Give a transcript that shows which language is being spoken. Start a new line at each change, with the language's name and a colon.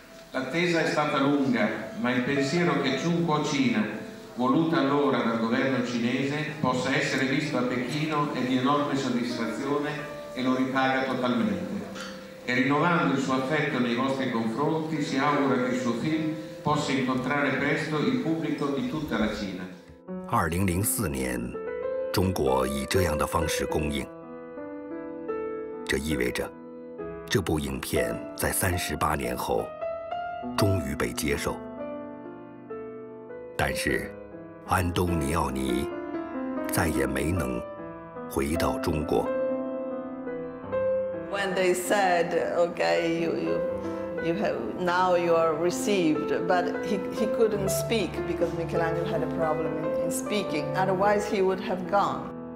Italian: L'attesa è stata lunga, ma il pensiero che Zhongguo Qin, voluta allora dal governo cinese, possa essere visto a Pechino è di enorme soddisfazione e lo ripaga totalmente. E rinnovando il suo affetto nei vostri confronti, si augura che il suo film possa incontrare presto il pubblico di tutta la Cina.
Chinese: 2004年 中国以这样的方式供应，这意味着这部影片在38年后终于被接受。但是，安东尼奥尼再也没能回到中国。
English: When they said, "Okay, you have now you are received," but he couldn't speak because Michelangelo had a problem in speaking. Otherwise, he would have gone.